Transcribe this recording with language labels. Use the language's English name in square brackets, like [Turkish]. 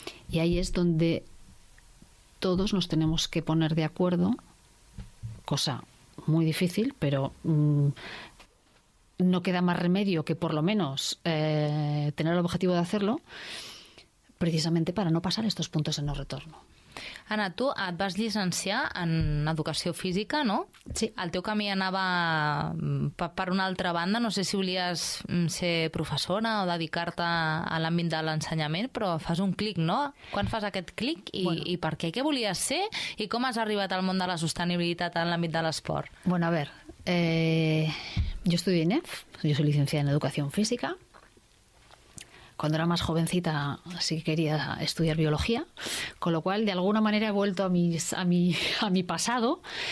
[Spanish] Y ahí es donde todos nos tenemos que poner de acuerdo, cosa muy difícil, pero no queda más remedio que por lo menos tener el objetivo de hacerlo, precisamente para no pasar estos puntos de no retorno. [Catalan] Ana, tu et vas llicenciar en educació física, no? Sí. El teu camí anava per una altra banda. No sé si volies ser professora o dedicar-te a l'àmbit de l'ensenyament, però fas un clic, no? Quan fas aquest clic i per què? Què volies ser? I com has arribat al món de la sostenibilitat en l'àmbit de l'esport? [Spanish] Bueno, a ver, yo estudié en EF, yo soy licenciada en educación física. Cuando era más jovencita sí que quería estudiar biología, con lo cual de alguna manera he vuelto a mi pasado.